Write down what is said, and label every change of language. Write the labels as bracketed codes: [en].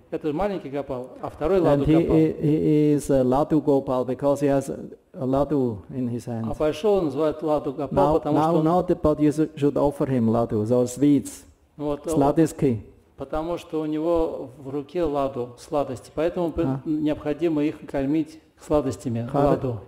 [ru] Это маленький Гопал, а второй Ладу Гопал. [en] And he is Ладу Гопал because he has a Ладу in his hands. [ru] А большого называют Ладу Гопал, потому что [en] now not, but you should offer him Ладу, or sweets. [ru] Вот, сладостки. Потому что у него в руке Ладу, сладости, поэтому необходимо их кормить сладостями Ладу.